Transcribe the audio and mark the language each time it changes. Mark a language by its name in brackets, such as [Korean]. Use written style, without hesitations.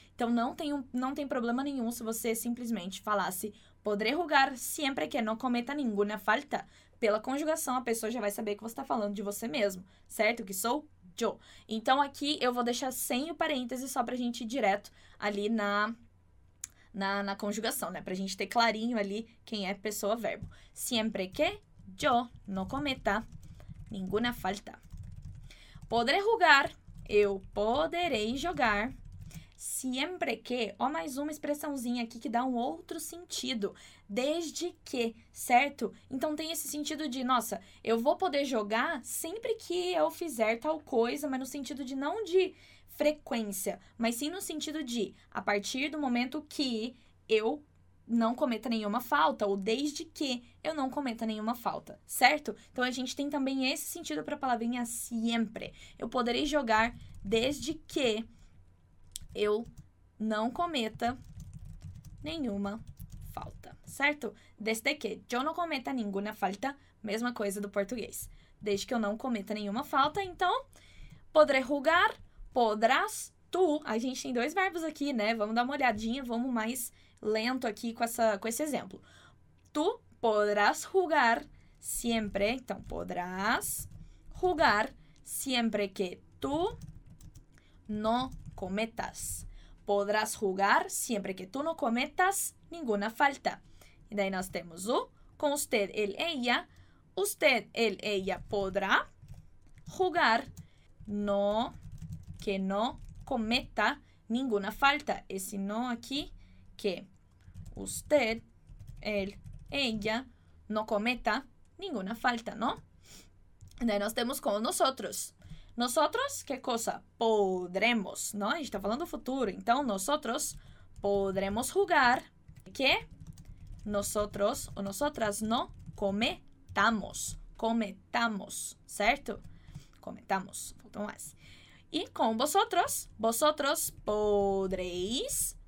[Portuguese] Então, não tem problema nenhum se você simplesmente falasse [Spanish] podré jugar siempre que no cometa ninguna falta. [Portuguese] Pela conjugação, a pessoa já vai saber que você está falando de você mesmo, certo? Que sou yo. Então, aqui eu vou deixar sem o parênteses só pra gente ir direto ali na conjugação, né? Pra gente ter clarinho ali quem é pessoa-verbo. [Spanish] Siempre que yo no cometa ninguna falta. Podré jugar. [Portuguese] Eu poderei jogar sempre que... Ó, mais uma expressãozinha aqui que dá um outro sentido. Desde que, certo? Então, tem esse sentido de, nossa, eu vou poder jogar sempre que eu fizer tal coisa, mas no sentido de não de frequência, mas sim no sentido de a partir do momento que eu não cometa nenhuma falta, ou desde que eu não cometa nenhuma falta, certo? Então, a gente tem também esse sentido para a palavrinha sempre. Eu poderei jogar desde que eu não cometa nenhuma falta, certo? Desde que eu não cometa nenhuma falta, mesma coisa do português. Desde que eu não cometa nenhuma falta, então, poderei jogar, podrás, tu. A gente tem dois verbos aqui, né? Vamos dar uma olhadinha, vamos mais lento aqui com esse exemplo. [Spanish] Tu podrás jugar siempre. [Portuguese] Então, [Spanish] podrás jugar siempre que tu no cometas. Podrás jugar siempre que tu no cometas ninguna falta. [Portuguese] E daí nós temos o com usted, él, ella. [Spanish] Usted, él, ella podrá jugar no que no cometa ninguna falta. Esse no aqui que... Usted, él, ella, no cometa ninguna falta, ¿no? [Portuguese] Daí nós temos com nosotros. [Spanish] Nosotros, que cosa? Podremos, ¿no? [Portuguese] A gente está falando futuro. Então, [Spanish] nosotros podremos jugar que nosotros o nosotras no cometamos. Cometamos, ¿cierto? Cometamos. Faltó más. Y con vosotros, vosotros podréis...